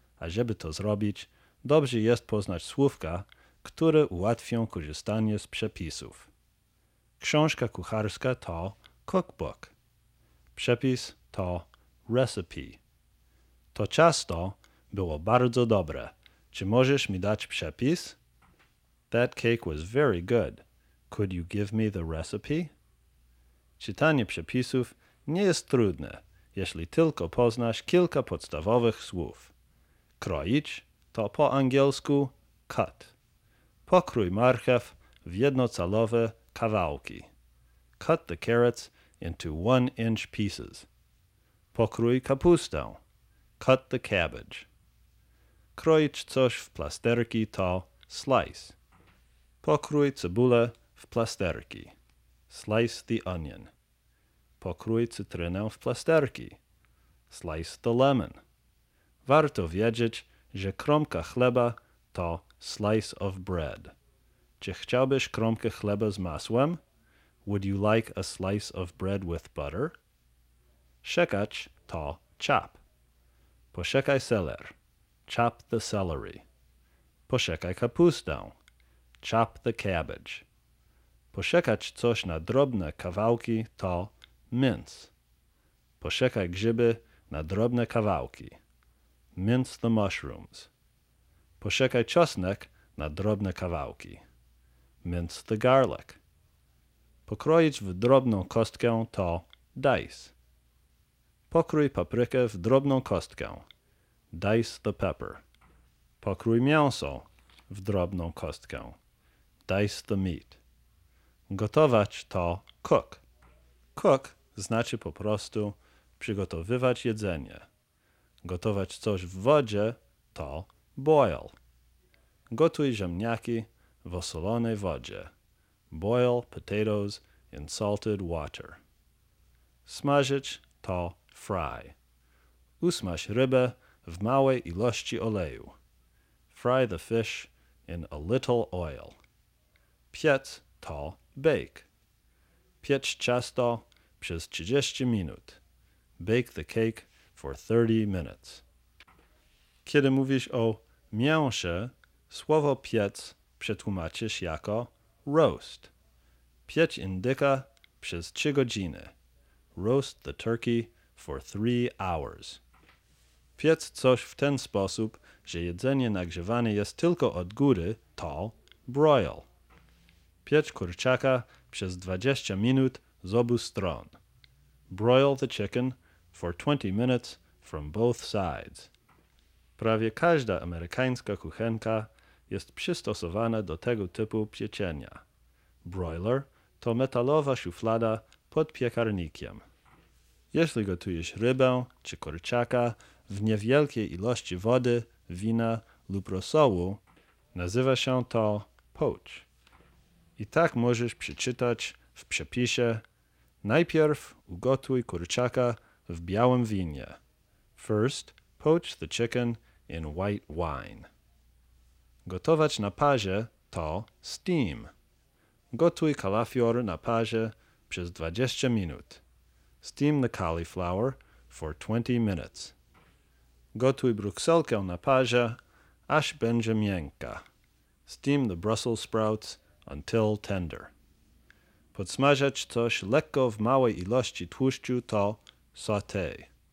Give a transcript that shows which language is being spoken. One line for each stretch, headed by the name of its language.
Polish: A żeby to zrobić, dobrze jest poznać słówka, które ułatwią korzystanie z przepisów. Książka kucharska to cookbook. Przepis to recipe. To ciasto było bardzo dobre. Czy możesz mi dać przepis?
English: That cake was very good. Could you give me the recipe?
Polish: Czytanie przepisów nie jest trudne, jeśli tylko poznasz kilka podstawowych słów. Kroić to po angielsku cut. Pokrój marchew w jednocalowe kawałki.
English: Cut the carrots into 1-inch pieces.
Polish: Pokrój kapustę.
English: Cut the cabbage.
Polish: Kroić coś w plasterki to slice. Pokrój cebulę w plasterki.
English: Slice the onion.
Polish: Pokrój cytrynę w plasterki.
English: Slice the lemon.
Polish: Warto wiedzieć, że kromka chleba to slice of bread. Czy chciałbyś kromkę chleba z masłem?
English: Would you like a slice of bread with butter?
Polish: Szekać to chop. Posiekaj seler.
English: Chop the celery.
Polish: Posiekaj kapustę.
English: Chop the cabbage.
Polish: Posiekać coś na drobne kawałki to mince. Posiekaj grzyby na drobne kawałki.
English: Mince the mushrooms.
Polish: Posiekaj czosnek na drobne kawałki.
English: Mince the garlic.
Polish: Pokroić w drobną kostkę to dice. Pokrój paprykę w drobną kostkę.
English: Dice the pepper.
Polish: Pokrój mięso w drobną kostkę.
English: Dice the meat.
Polish: Gotować to cook. Cook znaczy po prostu przygotowywać jedzenie. Gotować coś w wodzie to boil. Gotuj ziemniaki w osolonej wodzie.
English: Boil potatoes in salted water.
Polish: Smażyć to fry. Usmaż rybę w małej ilości oleju.
English: Fry the fish in a little oil.
Polish: Piec to bake. Piec ciasto przez 30 minut.
English: Bake the cake for 30 minutes.
Polish: Kiedy mówisz o mięsie, słowo piec przetłumaczysz jako roast. Piec indyka przez 3 godziny.
English: Roast the turkey for 3 hours.
Polish: Piec coś w ten sposób, że jedzenie nagrzewane jest tylko od góry, to broil. Piec kurczaka przez 20 minut z obu stron.
English: Broil the chicken for 20 minutes from both sides.
Polish: Prawie każda amerykańska kuchenka jest przystosowana do tego typu pieczenia. Broiler to metalowa szuflada pod piekarnikiem. Jeśli gotujesz rybę czy kurczaka w niewielkiej ilości wody, wina lub rosołu, nazywa się to poach. I tak możesz przeczytać w przepisie: najpierw ugotuj kurczaka w białym winie.
English: First, poach the chicken in white wine.
Polish: Gotować na parze to steam. Gotuj kalafior na parze przez 20 minut.
English: Steam the cauliflower for 20 minutes.
Polish: Gotuj brukselkę na parze, aż będzie miękka.
English: Steam the Brussels sprouts until tender.
Polish: Podsmażać coś lekko w małej ilości tłuszczu to sauté.